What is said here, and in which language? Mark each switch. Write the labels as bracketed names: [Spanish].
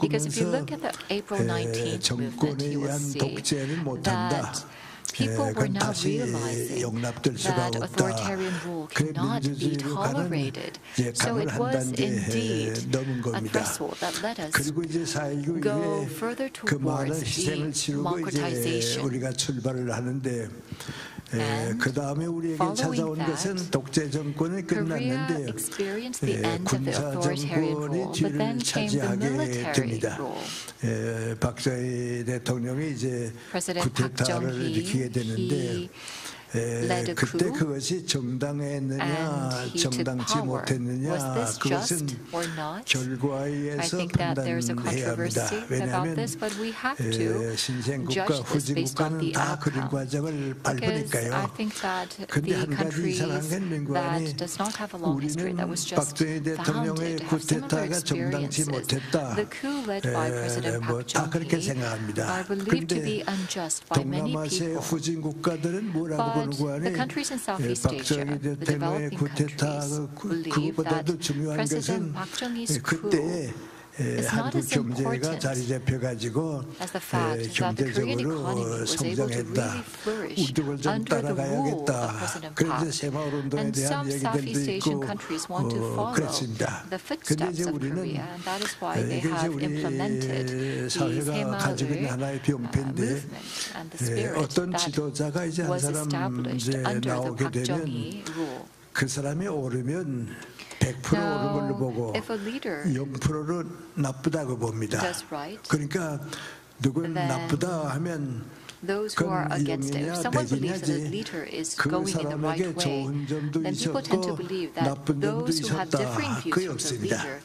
[English] Because if you look at the April 19th movement, you will see that people were now realizing that authoritarian rule cannot be tolerated. So it was indeed a threshold that let us go further towards the democratization. [Korean] 그 다음에 우리에게 찾아온 것은 독재 정권이 끝났는데 군사 정권이 뒤를 차지하게 됩니다. 박정희 대통령이 이제 쿠데타를 일으키게 되는데 그때 그것이 정당했느냐 정당치 못했느냐 그것은 결과에서 판단해야 합니다. 왜냐하면 신생국가 후진국가는 다 그런 과정을 밟으니까요. 그런데 한 가지 이상한 건 민관이 우리는 박정희 대통령의 쿠데타가 정당치 못했다 다 그렇게 생각합니다. 그런데 동남아시아 후진국가들은 뭐라고 보는 [English] The countries in Southeast Asia, the developing countries, believe that President Park Chung-hee's coup is not as important as the fact that the Korean economy was able to really flourish under the rule of President Park. And some Southeast Asian countries want to follow the footsteps of Korea, and that is why they have implemented the Haemaru movement. And the spirit that was established under the Park Chung-hee rule. [Korean] 100% 옳은 걸로 보고 0%를 나쁘다고 봅니다. 그러니까 누군 나쁘다 하면 그 영이냐 백이냐지 그 사람에게 좋은 점도 있었고 나쁜 점도 있었다 그게 없습니다.